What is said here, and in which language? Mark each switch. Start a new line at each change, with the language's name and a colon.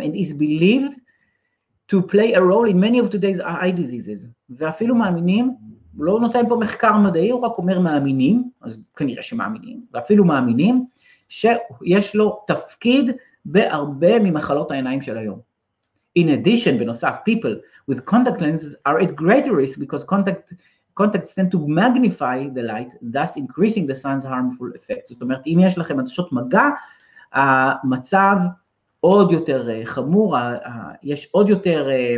English: And is believed to play a role in many of today's eye diseases.
Hebrew: ואפילו מאמינים, הוא לא נותן פה מחקר מדעי, הוא רק אומר מאמינים, אז כנראה שמאמינים, ואפילו מאמינים, שיש לו תפקיד בהרבה ממחלות העיניים של היום.
English: In addition,
Hebrew: בנוסף,
English: people with contact lenses are at greater risk because contacts tend to magnify the light, thus increasing the sun's harmful effects.
Hebrew: זאת אומרת, אם יש לכם עדשות מגע, המצב עוד יותר חמור, יש עוד יותר...